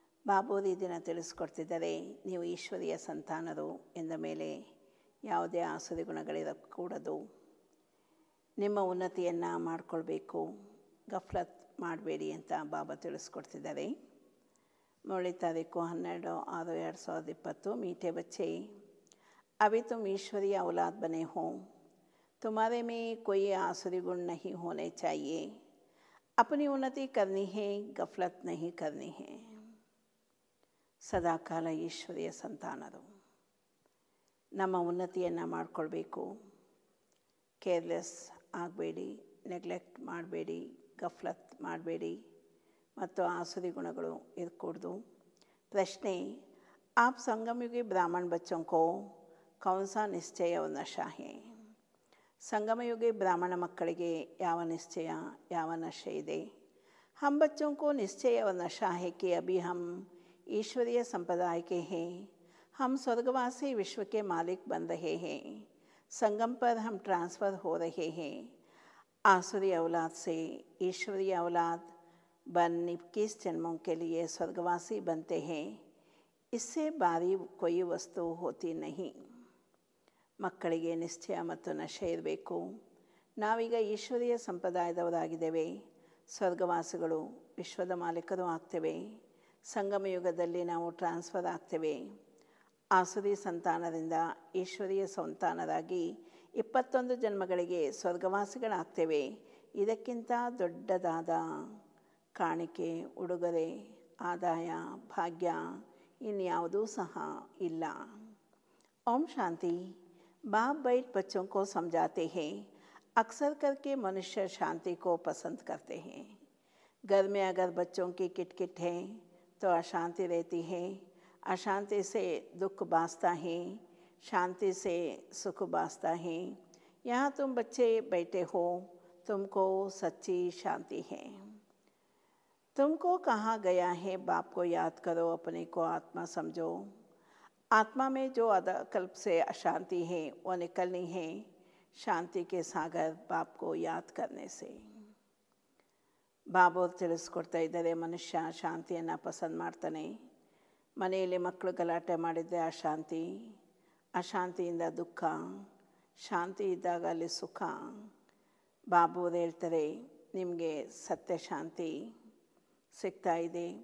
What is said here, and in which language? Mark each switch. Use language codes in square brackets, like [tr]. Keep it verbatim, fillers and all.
[kn] ಬಾಬೂರಿ ದಿನ ತಿಳಿಸ್ಕೊಡ್ತಿದ್ದರೆ ನೀವು ಈಶ್ವರಿಯ ಸಂತಾನರು ಎಂದ ಮೇಲೆ ಯಾವುದೇ ಆಸುರಿ ಗುಣಗಳಿರಕೂಡದು. ನಿಮ್ಮ ಉನ್ನತಿಯನ್ನು ಮಾಡಿಕೊಳ್ಬೇಕು, ಗಫ್ಲತ್ ಮಾಡಬೇಡಿ ಅಂತ ಬಾಬಾ ತಿಳಿಸ್ಕೊಡ್ತಿದ್ದಾರೆ. ಮೂರನೇ ತಾರೀಕು ಹನ್ನೆರಡು ಆರು ಎರಡು ಸಾವಿರದ ಇಪ್ಪತ್ತು. [hi] मीठे बच्चे, अभी तुम ईश्वरी औलाद बने हो, तुम्हारे में कोई आसुरी गुण नहीं होने चाहिए। अपनी उन्नति करनी है, गफलत नहीं करनी है. [kn] ಸದಾಕಾಲ ಈಶ್ವರಿಯ ಸಂತಾನರು, ನಮ್ಮ ಉನ್ನತಿಯನ್ನು ಮಾಡಿಕೊಳ್ಬೇಕು. ಕೇರ್ಲೆಸ್ ಆಗಬೇಡಿ, ನೆಗ್ಲೆಕ್ಟ್ ಮಾಡಬೇಡಿ, ಗಫ್ಲತ್ ಮಾಡಬೇಡಿ ಮತ್ತು आसुरी गुणಗಳು ಇರಕೂಡ್ದು. [hi] प्रश्न, आप संगमयुगी ब्राह्मण बच्चों को कौन सा निश्चय और नशा है? [kn] संगमयुगी ब्राह्मण ಮಕ್ಕಳಿಗೆ ಯಾವ ನಿಶ್ಚಯ ಯಾವ ನಶೆ ಇದೆ? [hi] हम बच्चों को निश्चय और नशा है कि अभी हम ईश्वरीय संप्रदाय के हैं, हम स्वर्गवासी विश्व के मालिक बन रहे हैं, संगम पर हम ट्रांसफ़र हो रहे हैं. आसुरी औलाद से ईश्वरीय औलाद बन इक्कीस जन्मों के लिए स्वर्गवासी बनते हैं. इससे बारी कोई वस्तु होती नहीं. [kn] ಮಕ್ಕಳಿಗೆ ನಿಶ್ಚಯ ಮತ್ತು ನಶೆ ಇರಬೇಕು. ನಾವೀಗ ಈಶ್ವರಿಯ ಸಂಪ್ರದಾಯದವರಾಗಿದ್ದೇವೆ, ಸ್ವರ್ಗವಾಸಿಗಳು, ವಿಶ್ವದ ಮಾಲೀಕರು ಆಗ್ತೇವೆ. ಸಂಗಮಯುಗದಲ್ಲಿ ನಾವು ಟ್ರಾನ್ಸ್ಫರ್ ಆಗ್ತೇವೆ. ಆಸುರಿ ಸಂತಾನದಿಂದ ಈಶ್ವರಿಯ ಸಂತಾನರಾಗಿ ಇಪ್ಪತ್ತೊಂದು ಜನ್ಮಗಳಿಗೆ ಸ್ವರ್ಗವಾಸಿಗಳಾಗ್ತೇವೆ. ಇದಕ್ಕಿಂತ ದೊಡ್ಡದಾದ ಕಾಣಿಕೆ, ಉಡುಗೊರೆ, ಆದಾಯ, ಭಾಗ್ಯ इन्यावदू सहा इल्ला. [hi] ओम शांति. बाप बैठ बच्चों को समझाते हैं. अक्सर करके मनुष्य शांति को पसंद करते हैं. घर में अगर बच्चों की किटकिट है तो अशांति रहती है. अशांति से दुख बासता है, शांति से सुख बासता है. यहाँ तुम बच्चे बैठे हो, तुमको सच्ची शांति है. तुमको कहा गया है, बाप को याद करो, अपने को आत्मा समझो. आत्मा में जो अदकल्प से अशांति है वो निकलनी है, शांति के सागर बाप को याद करने से. [kn] ಬಾಬು ತಿಳಿಸ್ಕೊಡ್ತಾ ಇದ್ದಾರೆ, ಮನುಷ್ಯ ಶಾಂತಿಯನ್ನು ಪಸಂದ್ ಮಾಡ್ತಾನೆ. ಮನೆಯಲ್ಲಿ ಮಕ್ಕಳು ಗಲಾಟೆ ಮಾಡಿದ್ದೆ ಅಶಾಂತಿ, ಅಶಾಂತಿಯಿಂದ ದುಃಖ, ಶಾಂತಿ ಇದ್ದಾಗ ಅಲ್ಲಿ ಸುಖ. ಬಾಬುವ್ರು ಹೇಳ್ತಾರೆ, ನಿಮಗೆ ಸತ್ಯ ಶಾಂತಿ ಸಿಗ್ತಾ ಇದೆ.